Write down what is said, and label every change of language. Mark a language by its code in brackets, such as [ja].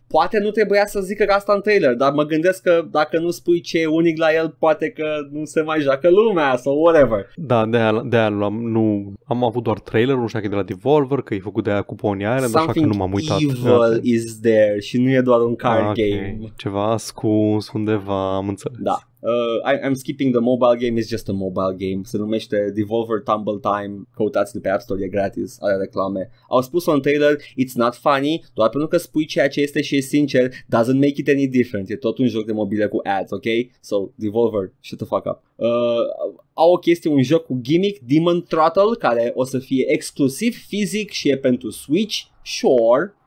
[ro] Poate nu trebuia să zică asta în trailer, dar mă gândesc că dacă nu spui ce e unic la el, poate că nu se mai joacă lumea sau whatever. Da, de-aia nu am avut doar trailerul, nu știu că e de la Devolver, că e făcut de-aia cu Pony Island, [en] something, [ro] așa că nu m-am uitat. [en] Evil is there [ro] și nu e doar un card game. Ceva ascuns undeva, am înțeles. Da. [en] I'm skipping the mobile game, it's just a mobile game. [ro] Se numește Devolver Tumble Time. Căutați-l pe App Store, e gratis, are reclame. Au spus-o în trailer, [en] it's not funny, [ro] doar pentru că spui ceea ce este și e sincer, [en] doesn't make it any different. [ro] E tot un joc de mobile cu ads, ok? [en] So, Devolver, shut the fuck up. [ro] Au o chestie, un joc cu gimmick, Demon Throttle, care o să fie exclusiv fizic și e pentru Switch, sure.